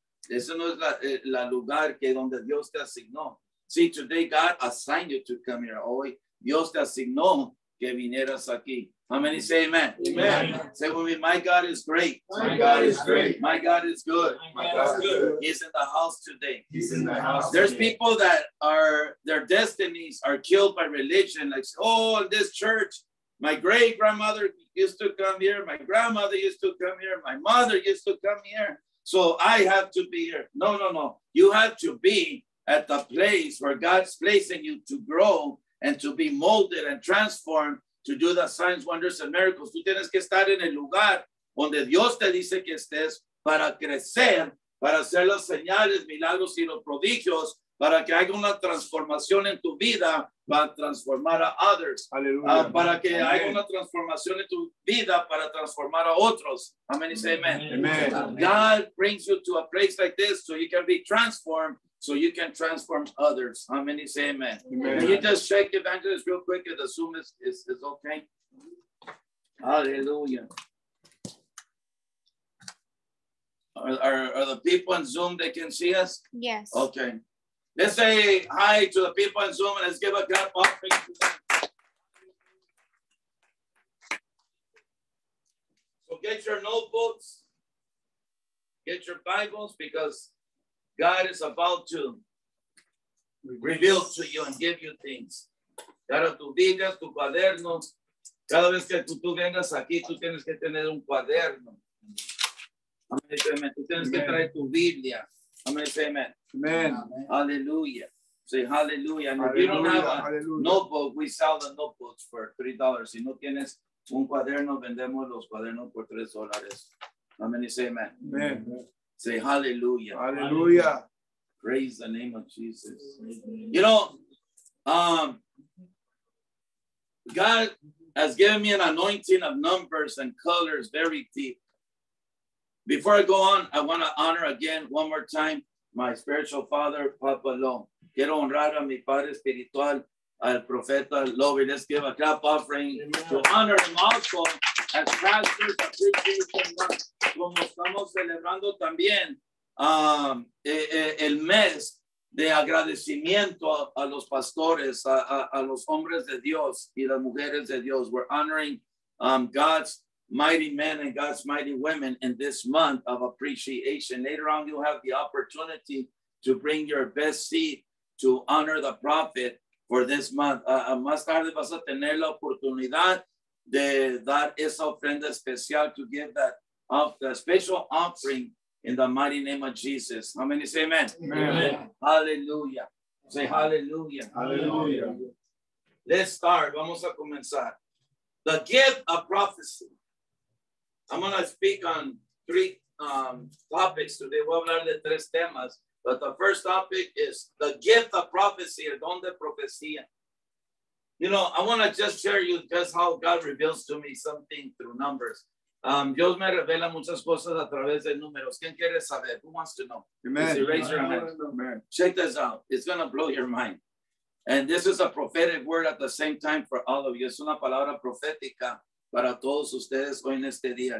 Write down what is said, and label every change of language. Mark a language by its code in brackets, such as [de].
[es] Eso no es la lugar que donde Dios te asignó. [en] See, today God assigned you to come here. [es] Hoy Dios te asignó que vinieras aquí. [en] How many say amen? Amen. Say with me, my God is great. My God is great. My God is good. My God is good. He's in the house today. He's in the house. There's people that are, their destinies are killed by religion. Like, oh, this church, my great-grandmother used to come here. My grandmother used to come here. My mother used to come here. So I have to be here. No. You have to be at the place where God's placing you to grow and to be molded and transformed to do the signs, wonders, and miracles. [es] Tú tienes que estar en el lugar donde Dios te dice que estés para crecer, para hacer las señales, milagros y los prodigios, para que haya una transformación en tu vida, para transformar a [en] others. [es] Aleluya. Para que amen. Haya una transformación en tu vida, para transformar a otros. [en] Amen. Say amen. Amen. God brings you to a place like this so you can be transformed, so you can transform others. How many say amen? Amen. Can you just check evangelist real quick if the Zoom is okay? Hallelujah. Are the people on Zoom, they can see us? Yes. Okay. Let's say hi to the people on Zoom and let's give a clap offering to them. So get your notebooks, get your Bibles, because God is about to reveal to you and give you things. [es] Cada tu digas, tu cuaderno. Cada vez que tú vengas aquí, tú tienes que tener un cuaderno. Amen. Tú tienes que traer tu Biblia. Amen. [en] Say amen. Amen. Hallelujah. Say hallelujah. And if you don't have a notebook, we sell the notebooks for $3. [es] Si no tienes un cuaderno, vendemos los cuadernos por $3. [en] Amen. Say amen. Amen. Say hallelujah. Hallelujah. Praise the name of Jesus. You know, God has given me an anointing of numbers and colors very deep. Before I go on, I want to honor again, one more time, my spiritual father, Papa Long. [es] Quiero honrar a mi padre espiritual, al profeta Lobby. [en] Let's give a clap offering to honor him also. As pastors, appreciation month, [es] como estamos celebrando también el mes de agradecimiento a los pastores, a los hombres de Dios y las mujeres de Dios. [en] We're honoring God's mighty men and God's mighty women in this month of appreciation. Later on, you'll have the opportunity to bring your best seed to honor the prophet for this month. [es] Más tarde vas a tener la oportunidad de dar esa ofrenda especial, [en] to give that special offering in the mighty name of Jesus. How many say amen? Amen. Amen. Hallelujah. Say hallelujah. Hallelujah. Let's start. [es] Vamos a comenzar. [en] The gift of prophecy. I'm going to speak on three topics today. [es] Voy a hablar de tres temas. [en] But the first topic is the gift of prophecy, [es] el don de profecía. [en] You know, I want to just share you just how God reveals to me something through numbers. [es] Dios me revela muchas cosas a través de números. ¿Quién quiere saber? [en] Who wants to know? Amen. Is it raise your hand? Check this out. It's going to blow your mind. And this is a prophetic word at the same time for all of you. [es] Es una palabra profética para todos ustedes hoy en este día.